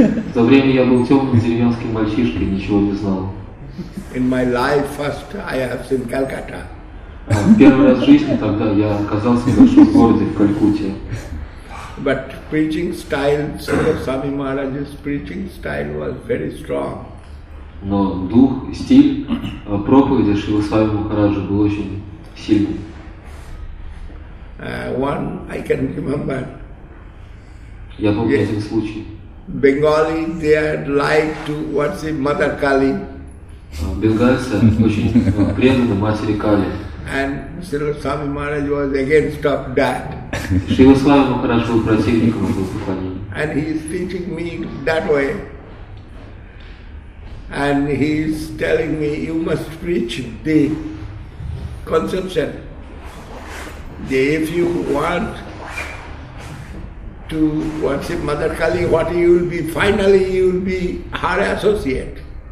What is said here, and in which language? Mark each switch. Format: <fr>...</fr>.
<ru>В то время я был темным деревенским мальчишкой, ничего не знал.</ru> <en>In my life, first I have seen Calcutta.</en> <ru>Первый раз в жизни тогда я оказался в большом городе, в Калькутте.</ru> <en>But preaching style, Swami Maharaj's preaching style was very strong.</en> <ru>Но дух, стиль проповеди Шрилы Свами Махараджа был очень сильный.</ru> <en>One I can remember.</en> <ru>Я помню один случай.</ru> <en>Bengali, they like to worship Mother Kali.</en> <ru>Бенгальцы очень преданы матери Кали.</ru> <en>And Srila Swami Maharaj was against of that.</en> <ru>Шрила Свами Махарадж был противником этого поклонения.</ru> <en>and he is teaching me that way. And he is telling me, you must preach the conception. If you want to worship Mother Kali, what you will be, finally you will be her associate.</en>